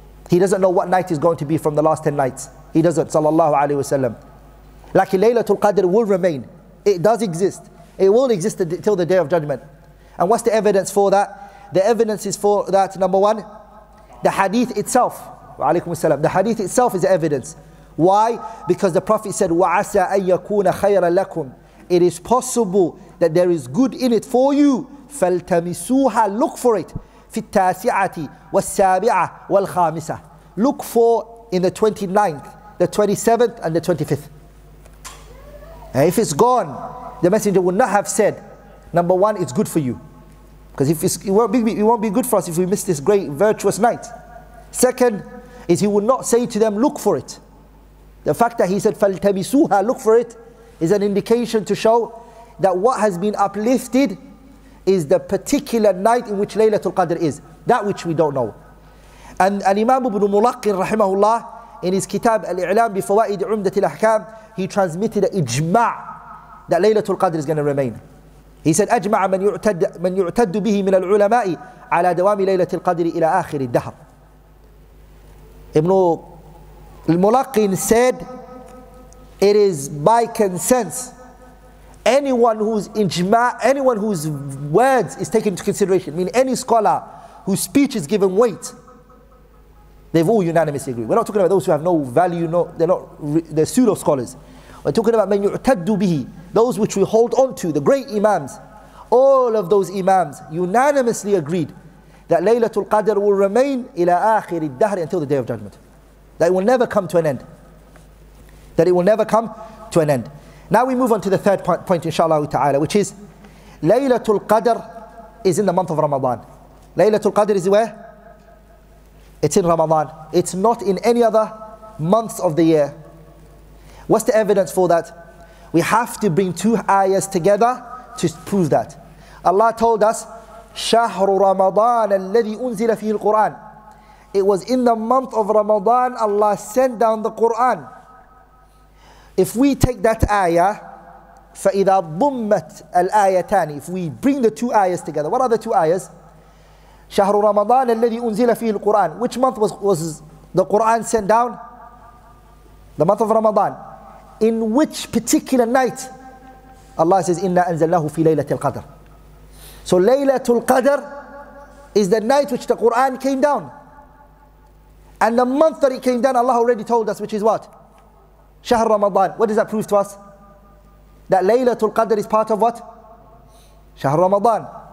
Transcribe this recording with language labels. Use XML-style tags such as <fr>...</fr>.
<en>He doesn't know what night is going to be from the last 10 nights. He doesn't,</en> <ar>sallallahu alayhi wa sallam.</ar> <en>Like Laylatul Qadr will remain. It does exist. It will exist until the Day of Judgment. And what's the evidence for that? The evidence is for that, number one, the hadith itself.</en> <ar>Wa alaykum as-salam.</ar> <en>The hadith itself is evidence. Why? Because the Prophet said,</en> <ar>وَعَسَىٰ أَن يَكُونَ خَيْرًا لَكُمْ.</ar> <en>It is possible that there is good in it for you.</en> <ar>فَالْتَمِسُوهَا,</ar> <en>look for it.</en> <ar>فِي التَّاسِعَةِ وَالسَّابِعَةِ وَالْخَامِسَةِ.</ar> <en>Look for in the 29th, the 27th, and the 25th. And if it's gone, the Messenger would not have said, number one, it's good for you. Because if it's, it won't be good for us if we miss this great virtuous night. Second, is he would not say to them, look for it. The fact that he said,</en> <ar>فَالْتَمِسُوهَا,</ar> <en>look for it, is an indication to show that what has been uplifted is the particular night in which Laylatul Qadr is. That which we don't know. And Imam Ibn Mulaqin, rahimahullah, in his kitab, Al-I'lam bi Fawaid Umdat al-Ahkam, he transmitted an ijma' that Laylatul Qadr is going to remain. He said,</en> <ar>أَجْمَعَ مَنْ يُعْتَدُّ بِهِ مِنَ الْعُلَمَاءِ عَلَى دَوَامِ لَيْلَةِ الْقَدْرِ إِلَىٰ آخِرِ الدَّهْرِ.</ar> <en>Ibn al-Mulaqin said, it is by consent, anyone whose words is taken into consideration, I mean any scholar whose speech is given weight, they've all unanimously agreed. We're not talking about those who have no value, no, they're pseudo scholars. We're talking about</en> <ar>مَنْ يُعْتَدُّ بِهِ,</ar> <en>those which we hold on to, the great imams, all of those imams unanimously agreed that Laylatul Qadr will remain</en> <ar>ila akhir al-dahr,</ar> <en>until the Day of Judgment. That it will never come to an end. That it will never come to an end. Now we move on to the third point, inshallah ta'ala, which is Laylatul Qadr is in the month of Ramadan. Laylatul Qadr is where? It's in Ramadan. It's not in any other months of the year. What's the evidence for that? We have to bring two ayahs together to prove that. Allah told us,</en> <ar>شهر رمضان الذي أنزل فيه القرآن.</ar> <en>It was in the month of Ramadan, Allah sent down the Quran. If we take that ayah,</en> <ar>فَإِذَا ضُمَّتْ الْآيَتَانِ,</ar> <en>if we bring the two ayahs together, what are the two ayahs?</en> <ar>شهر رمضان الذي أنزل فيه القرآن.</ar> <en>Which month was the Quran sent down? The month of Ramadan. In which particular night? Allah says,</en> <ar>إِنَّا أَنزَلْنَاهُ فِي لَيْلَةِ الْقَدْرِ.</ar> <en>So Laylatul Qadr is the night which the Quran came down. And the month that it came down, Allah already told us, which is what? Shahr Ramadan. What does that prove to us? That Laylatul Qadr is part of what? Shahr Ramadan.</en>